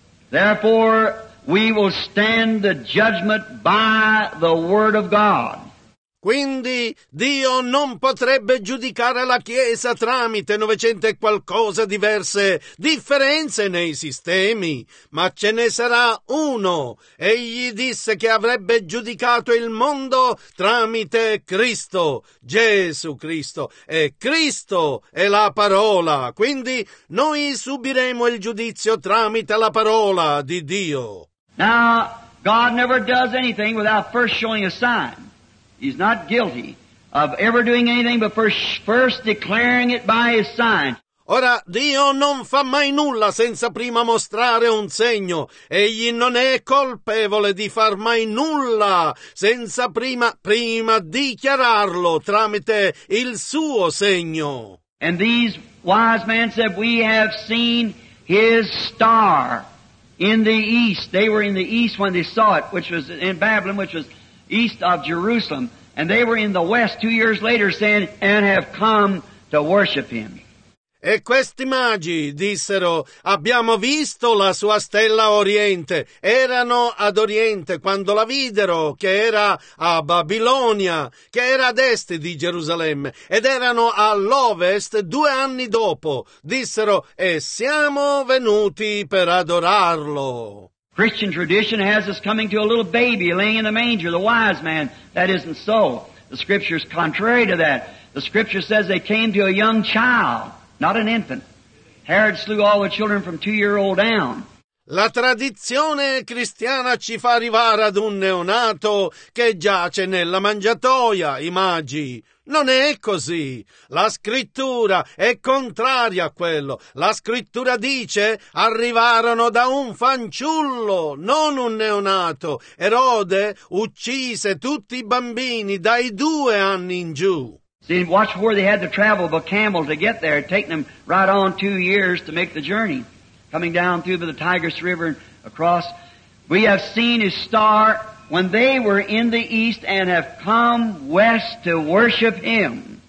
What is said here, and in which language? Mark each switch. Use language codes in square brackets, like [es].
[en] Therefore, we will stand the judgment by the Word of God. [it] Quindi Dio non potrebbe giudicare la Chiesa tramite 900 e qualcosa diverse differenze nei sistemi, ma ce ne sarà uno. Egli disse che avrebbe giudicato il mondo tramite Cristo, Gesù Cristo, e Cristo è la parola. Quindi noi subiremo il giudizio tramite la parola di Dio. [en] Now, God never does anything without first showing a sign. He's not guilty of ever doing anything but first declaring it by his sign. [it] Ora, Dio non fa mai nulla senza prima mostrare un segno. Egli non è colpevole di far mai nulla senza prima dichiararlo tramite il suo segno. [en] And these wise men said, we have seen his star in the east. They were in the east when they saw it, which was in Babylon, which was east of Jerusalem, and they were in the west 2 years later saying, and have come to worship him. [it] E questi magi dissero, abbiamo visto la sua stella a oriente. Erano ad oriente quando la videro, che era a Babilonia, che era ad est di Gerusalemme, ed erano all'ovest 2 anni dopo. Dissero, e siamo venuti per adorarlo. [en] Christian tradition has us coming to a little baby laying in the manger, the wise man. That isn't so. The scripture is contrary to that. The scripture says they came to a young child, not an infant. Herod slew all the children from 2-year-old down. [it] La tradizione cristiana ci fa arrivare ad un neonato che giace nella mangiatoia, i magi. Non è così. La scrittura è contraria a quello. La scrittura dice arrivarono da un fanciullo, non un neonato. Erode uccise tutti i bambini dai 2 anni in giù. [en] See, watch where they had to travel by camel to get there, taking them right on 2 years to make the journey, coming down through the Tigris River and across. We have seen his star when they were in the east and have come west to worship him.